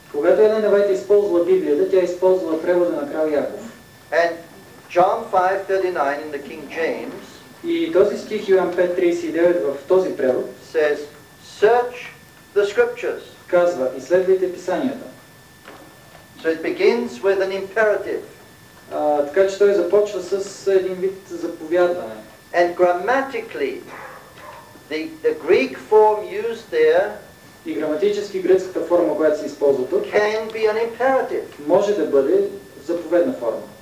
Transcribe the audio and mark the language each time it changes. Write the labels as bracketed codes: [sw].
[bg] Когато Елена Вайт използва Библията, тя използва превода на крал Яков. [en] And John 5:39 in the King James. [bg] И този стих Йоан 5:39 в този превод [en] says, search the scriptures. [bg] Казва, изследвайте писанията. [en] So it begins with an imperative. [bg] Така че той започва с един вид заповядване. [en] And grammatically the Greek form used there, [bg] и граматически гръцката форма, която се използва тук, [en] can be an imperative. [bg] Може да бъде заповедна форма.